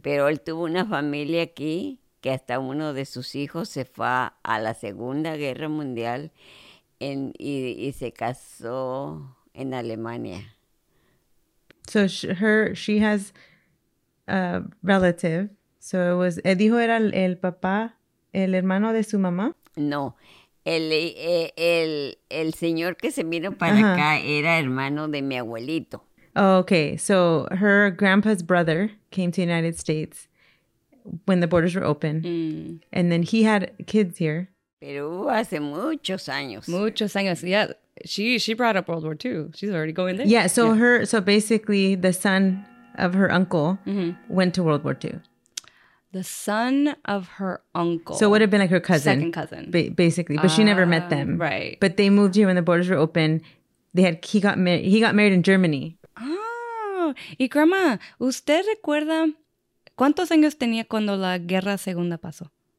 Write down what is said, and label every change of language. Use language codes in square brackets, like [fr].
[es] Pero él tuvo una familia aquí que hasta uno de sus hijos se fue a la Segunda Guerra Mundial y se casó en Alemania. [en] So she has a relative. So it was, [es] ¿él dijo era el papá, el hermano de su mamá? No. El señor que se vino para uh-huh. acá era hermano de mi abuelito. [en] Oh, okay, so her grandpa's brother came to the United States when the borders were open. Mm. And then he had kids here. [es] Pero hace muchos años. Muchos años, [en] yeah. She brought up World War II. She's already going there. Yeah, so yeah. So basically the son of her uncle mm-hmm. went to World War II. The son of her uncle. So it would have been like her cousin. Second cousin. Basically. But she never met them. Right. But they moved here when the borders were open. He got married in Germany. [es] Oh. Y grandma, ¿usted recuerda cuántos años tenía cuando la guerra segunda pasó?